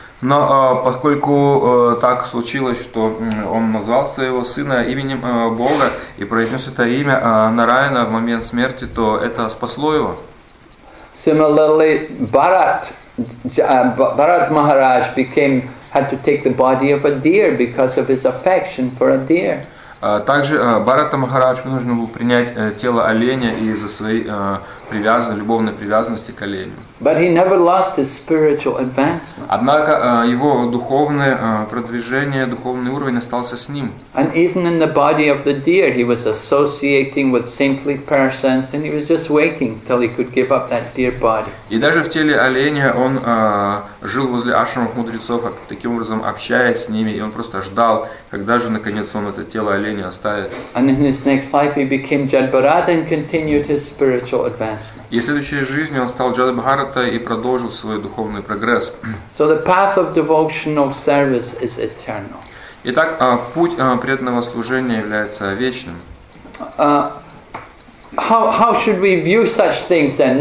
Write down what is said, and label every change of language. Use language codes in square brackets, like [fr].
[ru] Но поскольку так случилось, что он назвал своего сына именем Бога и произнес это имя Нараяна в момент смерти, то это спасло его. [en] Similarly, Bharat Maharaj had to take the body of a deer because of his affection for a deer. [ru] Также Бхарата Махараджу нужно было принять тело оленя из-за своей любовной привязанности к оленю. [en] But he never lost his spiritual advancement. [ru] Однако его духовное продвижение, духовный уровень остался с ним. [en] And even in the body of the deer, he was associating with saintly persons, and he was just waiting till he could give up that deer body. [ru] И даже в теле оленя он жил возле ашрамов мудрецов, таким образом общаясь с ними, и он просто ждал, когда же наконец он это тело оленя оставит. [en] And in his next life, he became Jadbharata and continued his spiritual advancement. [ru] И в следующей жизни он стал Jadbharata и продолжил свой духовный прогресс. [en] So the path of devotional service is eternal. [ru] Итак, путь преданного служения является вечным. [en] How should we view such things then?